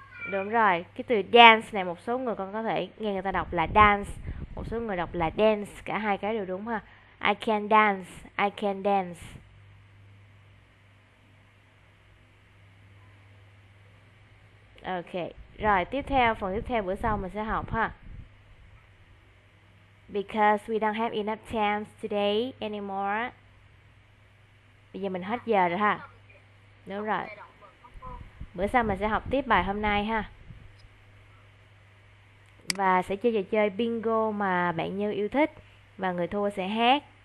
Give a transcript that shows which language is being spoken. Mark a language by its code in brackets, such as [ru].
[vi] Đúng rồi, cái từ dance này một số người con có thể nghe người ta đọc là dance, một số người đọc là dance, cả hai cái đều đúng ha. [en] I can dance, I can dance. [vi] Ok, rồi tiếp theo, phần tiếp theo bữa sau mình sẽ học ha. [en] Because we don't have enough time today anymore. [vi] Bây giờ mình hết giờ rồi ha. Đúng rồi. Bữa sau mình sẽ học tiếp bài hôm nay ha. Và sẽ chơi trò chơi bingo mà bạn Như yêu thích. Và người thua sẽ hát.